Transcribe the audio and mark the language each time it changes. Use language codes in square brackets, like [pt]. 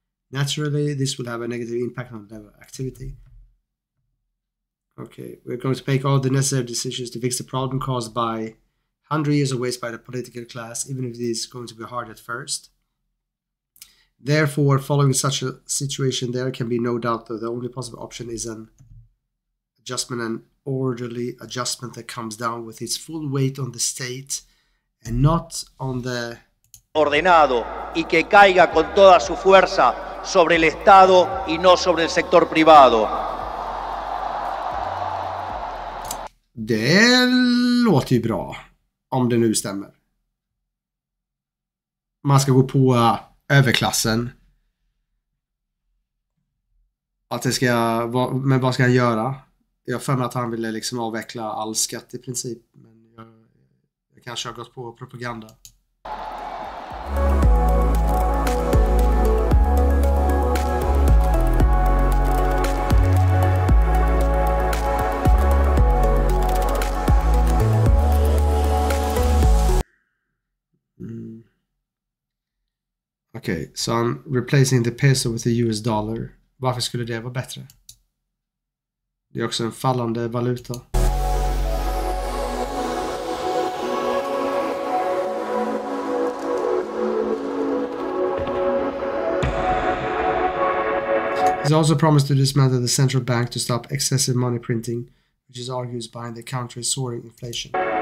[en] Naturally, this will have a negative impact on level activity. Okay, we're going to make all the necessary decisions to fix the problem caused by 100 years of waste by the political class, even if it is going to be hard at first. Therefore, following such a situation, there can be no doubt that the only possible option is an adjustment, an orderly adjustment that comes down with its full weight on the state and not on the [es] ordenado y que caiga con toda su fuerza sobre el Estado y no sobre el sector privado. [sv] Det låter ju bra, om det nu stämmer. Man ska gå på överklassen. Att det ska, men vad ska han göra? Jag för mig att han ville liksom avveckla all skatt i princip. Men jag kanske har gått på propaganda. [en] Okej, okay, så so I'm replacing the peso with the US dollar. [sv] Varför skulle det vara bättre? Det är också en fallande valuta. [en] He's also promised to dismantle the central bank to stop excessive money printing, which is argued behind the country's soaring inflation.